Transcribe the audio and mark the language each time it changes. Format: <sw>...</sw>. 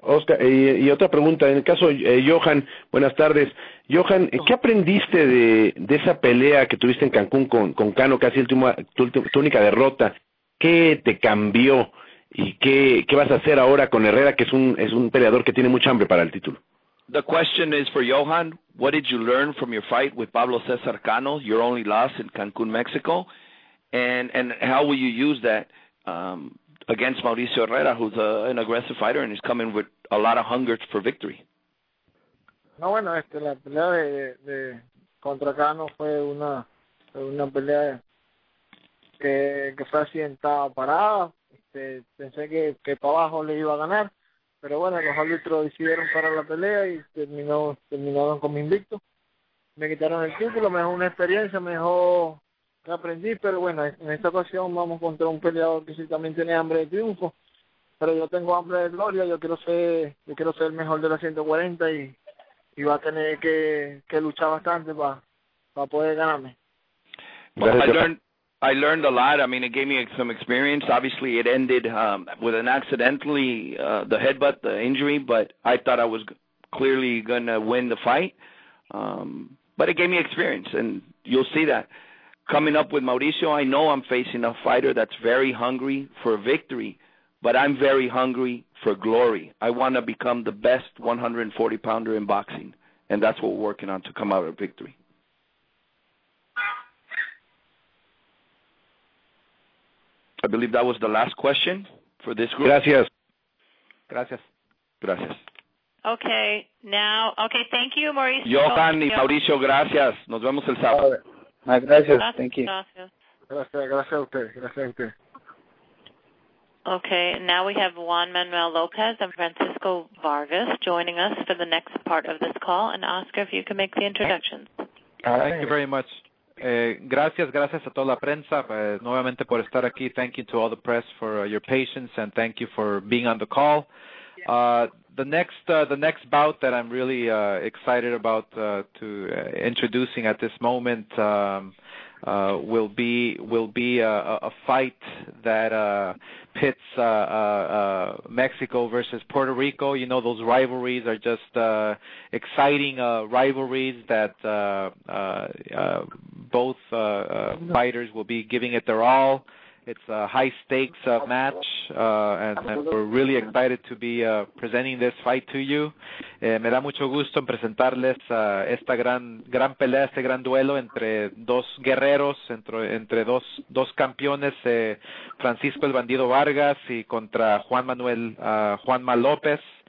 <es>Oscar, y otra pregunta, en el caso de Johan, buenas tardes. Johan, ¿qué aprendiste de esa pelea que tuviste en Cancún con Cano, casi tu única derrota? ¿Qué te cambió y qué vas a hacer ahora con Herrera, que es un peleador que tiene mucha hambre para el título?</es> <en>The question is for Johan, what did you learn from your fight with Pablo César Cano, your only loss in Cancún, Mexico, and how will you use that against Mauricio Herrera, who's an aggressive fighter and is coming with a lot of hunger for victory?</en> <es>No, bueno, la pelea de contra Cano fue una pelea que fue asientada parada. Pensé que para abajo le iba a ganar, pero bueno, los árbitros decidieron parar la pelea y terminaron con mi invicto. Me quitaron el título, me dejó una experiencia, me dejó que aprendí, pero bueno, en esta ocasión vamos contra un peleador que sí también tiene hambre de triunfo, pero yo tengo hambre de gloria, yo quiero ser el mejor de la 140 y va a tener que luchar bastante para poder ganarme.</es> <en>I learned a lot. I mean, it gave me some experience. Obviously, it ended with an accidentally, the headbutt, the injury, but I thought I was clearly going to win the fight. But it gave me experience, and you'll see that. Coming up with Mauricio, I know I'm facing a fighter that's very hungry for victory, but I'm very hungry for glory. I want to become the best 140-pounder in boxing, and that's what we're working on to come out of victory. I believe that was the last question for this group.</en> <es>Gracias. Gracias. Gracias.</es> <en>Okay, now, okay, thank you, Mauricio.</en> <es>Johan y Mauricio, gracias. Nos vemos el sábado.</es> <en>Gracias, thank you.</en> <es>Gracias. Gracias, gracias a usted. Gracias a usted.</es> <en>Okay, now we have Juan Manuel Lopez and Francisco Vargas joining us for the next part of this call. And Oscar, if you can make the introductions. Thank you very much.</en> <es>Gracias a toda la prensa nuevamente por estar aquí.</es> <en>Thank you to all the press for your patience and thank you for being on the call. The next bout that I'm really excited about introducing at this moment will be a fight that pits Mexico versus Puerto Rico. You know, those rivalries are just exciting rivalries that both fighters will be giving it their all. It's a high stakes match, and we're really excited to be presenting this fight to you.</en> <es>Me da mucho gusto presentarles esta gran pelea, este gran duelo entre dos guerreros, entre dos campeones, Francisco el Bandido Vargas y contra Juanma López.</es>